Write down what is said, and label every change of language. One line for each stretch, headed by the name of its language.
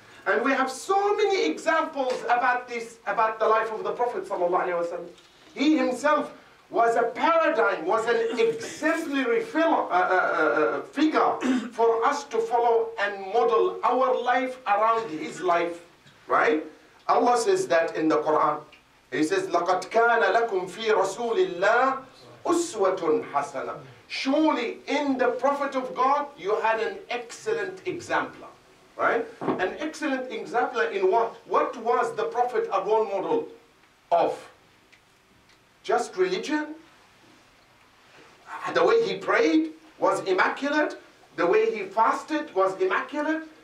English: And we have so many examples about this, about the life of the Prophet ﷺ. He himself was a paradigm, was an exemplary figure for us to follow and model our life around his life, right? Allah says that in the Quran. He says,
Arabic: لَقَدْ كَانَ لَكُمْ فِي رَسُولِ اللَّهِ أُسْوَةٌ حَسَنًا.
English: Surely in the Prophet of God, you had an excellent exemplar, right? An excellent exemplar in what? What was the Prophet a role model of? Just religion? The way he prayed was immaculate? The way he fasted was immaculate?